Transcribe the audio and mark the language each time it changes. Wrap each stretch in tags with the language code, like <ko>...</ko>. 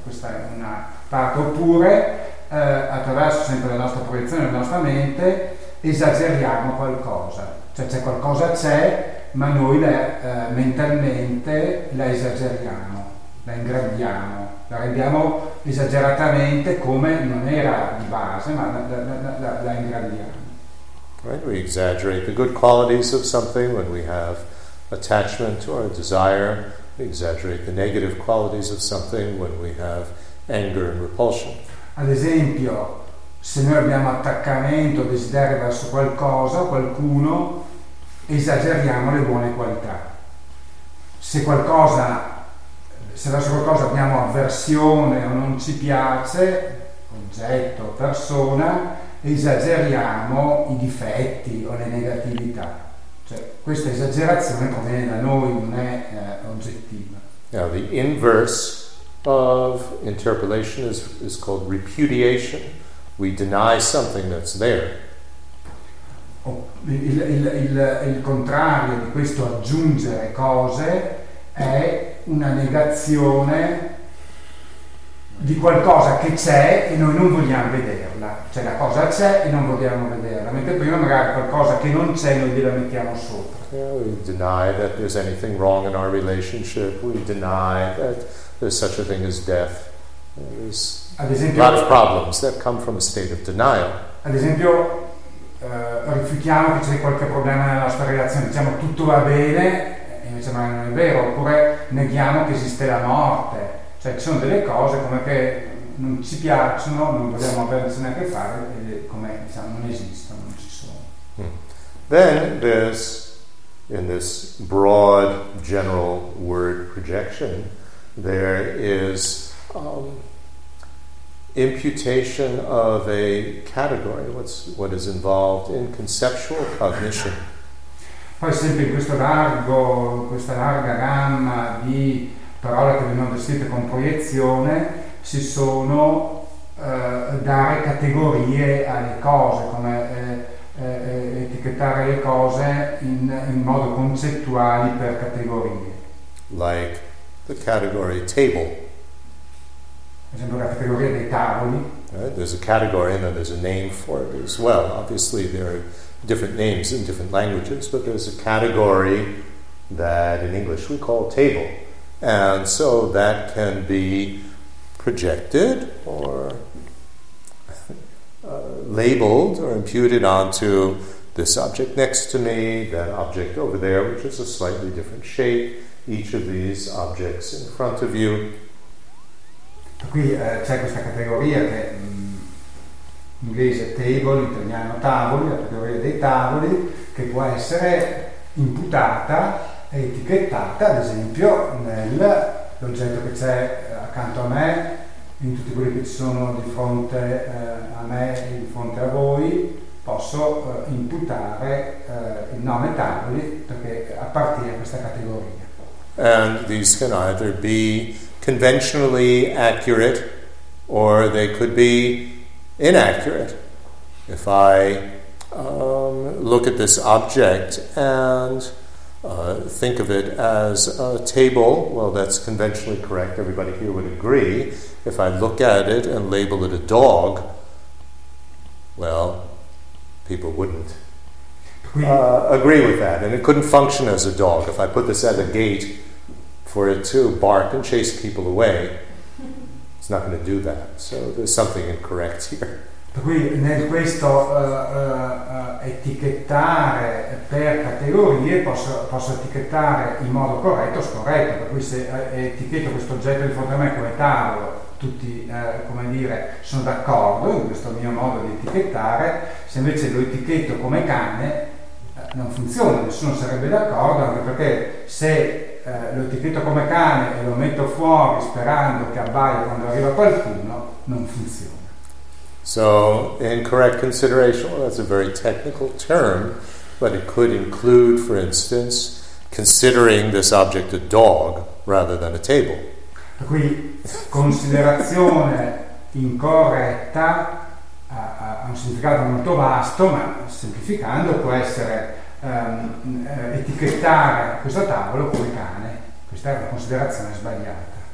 <it>Questa è una parte. Oppure attraverso sempre la nostra proiezione, la nostra mente esageriamo qualcosa, cioè c'è qualcosa, c'è, ma noi mentalmente la esageriamo, la ingrandiamo, la rendiamo esageratamente come non era di base, ma la ingrandiamo.</it> <en>Right, we exaggerate the good qualities of something when we have attachment or desire. We exaggerate the negative qualities of something when we have anger and repulsion.</en> <it>Ad esempio, se noi abbiamo attaccamento, desiderio verso qualcosa, qualcuno, esageriamo le buone qualità. Se verso qualcosa abbiamo avversione o non ci piace, oggetto, persona, esageriamo i difetti o le negatività. Cioè, questa esagerazione proviene da noi, non è oggettiva.</it> <en>Now the inverse of interpolation is called repudiation. We deny something that's there.</en> <it>Oh, il contrario di questo aggiungere cose è una negazione di qualcosa che c'è e noi non vogliamo vederla. Cioè la cosa c'è e non vogliamo vederla, mentre prima magari qualcosa che non c'è noi gliela mettiamo sopra.</it> <en>Yeah, we deny that there's anything wrong in our relationship. We deny that there's such a thing as death. There's</en> <it>ad esempio,</it> <en>a lot of problems that come from a state of denial.</en> <it>Ad esempio, rifiutiamo che c'è qualche problema nella nostra relazione. Diciamo tutto va bene e invece non è vero. Oppure neghiamo che esiste la morte. Cioè ci sono delle cose come che non ci piacciono, non vogliamo averci neanche a fare e come diciamo non esistono, non ci sono.</it> <en>Then there's in this broad general word projection, there is imputation of a category. What is involved in conceptual cognition?</en> <it>Poi sempre in questo largo, questa larga gamma di parole che vengono descritte con proiezione, ci sono dare categorie alle cose, come etichettare le cose in modo concettuali per categorie.</it> <en>Like the category table.</en> <it>Ad esempio la categoria dei tavoli.</it> <en>Right? There's a category and then there's a name for it as well. Obviously there are different names in different languages, but there's a category that in English we call table. And so that can be projected or labeled or imputed onto this object next to me, that object over there, which is a slightly different shape, each of these objects in front of you.</en> <it>Qui c'è questa categoria che in inglese table, in italiano tavoli, la categoria dei tavoli, che può essere imputata e etichettata, ad esempio, nell'oggetto che c'è accanto a me, in tutti quelli che ci sono di fronte a me, di fronte a voi, posso imputare il nome tavoli perché appartiene a questa categoria.</it> <en>And these can either be conventionally accurate or they could be inaccurate. If I look at this object and think of it as a table, well, that's conventionally correct. Everybody here would agree. If I look at it and label it a dog, well, people wouldn't agree with that. And it couldn't function as a dog. If I put this at a gate for it to bark and chase people away, it's not going to do that. So there's something incorrect here.</en> <it>Per cui nel questo etichettare per categorie posso etichettare in modo corretto o scorretto. Per cui se etichetto questo oggetto di fronte a me come tavolo, tutti come dire sono d'accordo in questo mio modo di etichettare. Se invece lo etichetto come cane, non funziona, nessuno sarebbe d'accordo, anche perché se lo etichetto come cane e lo metto fuori sperando che abbaia quando arriva qualcuno, non funziona.</it> <en>So, incorrect consideration, well, that's a very technical term, but it could include, for instance, considering this object a dog rather than a table.</en> <it>Qui, considerazione incorretta ha un significato molto vasto, ma semplificando può essere etichettare questo tavolo come cane. Questa è una considerazione sbagliata.</it>